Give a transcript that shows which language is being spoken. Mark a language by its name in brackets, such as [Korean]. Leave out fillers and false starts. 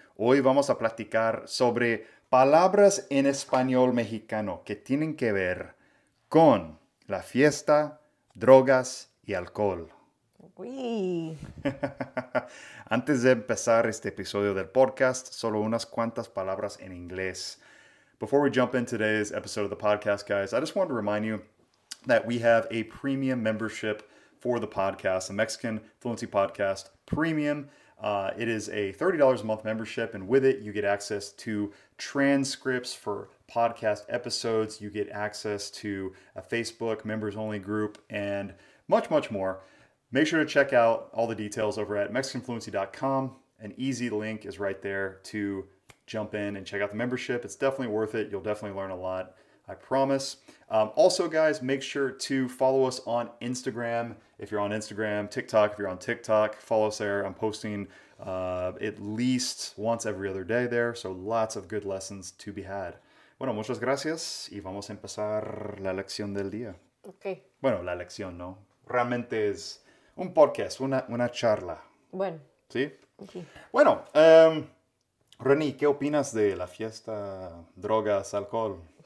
[Spanish] Hoy vamos a platicar sobre palabras en español mexicano que tienen que ver con la fiesta, drogas y alcohol. Uy. Antes de empezar este episodio del podcast, solo unas cuantas palabras en inglés. [English] Before we jump into today's episode of the podcast, guys, I just want to remind you that we have a premium membership for the podcast, the Mexican Fluency Podcast Premium. It is a $30 a month membership, and with it, you get access to transcripts for podcast episodes. You get access to a Facebook members-only group and much, much more. Make sure to check out all the details over at MexicanFluency.com. An easy link is right there to jump in and check out the membership. It's definitely worth it. You'll definitely learn a lot, I promise. Also, guys, make sure to follow us on Instagram. If you're on Instagram, TikTok, if you're on TikTok, follow us there. I'm posting at least once every other day there. So lots of good lessons to be had. [Spanish] Bueno, muchas gracias. Y vamos a empezar la lección del día. [English] Okay. [Spanish] Bueno, la lección, ¿no? Realmente es un podcast, una charla. Bueno. ¿Sí? [English] Okay. [Spanish] Bueno, Reni, ¿qué opinas de la fiesta, drogas, alcohol?